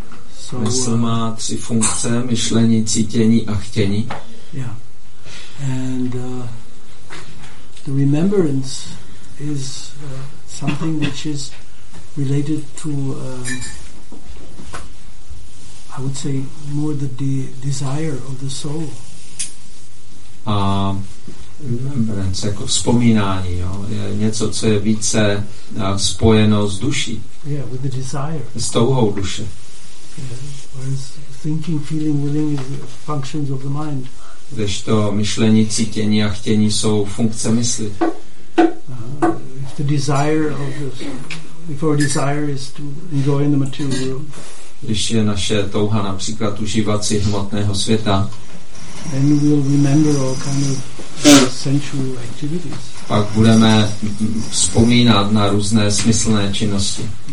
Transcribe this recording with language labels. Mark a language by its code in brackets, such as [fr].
[en] So, [cs] mysl má tři funkce, myšlení, cítění a chtění. [en] Yeah. And the remembrance is something which is related to I would say more the desire of the soul. [cs] Remembrance jako vzpomínání, jo, je něco, co je více spojeno s duší. [en] Yeah, with the desire. [cs] S touhou duše. [en] Whereas thinking, feeling, willing is functions of the mind. [cs] Kdežto myšlení, cítění a chtění jsou funkce mysli. [en] If the desire of this, if our desire is to enjoy in the material world. [cs] Když je naše touha například užívat si hmotného světa. [en] Then we'll remember all kind of sensual activities. [cs] Pak budeme vzpomínat na různé smyslné činnosti.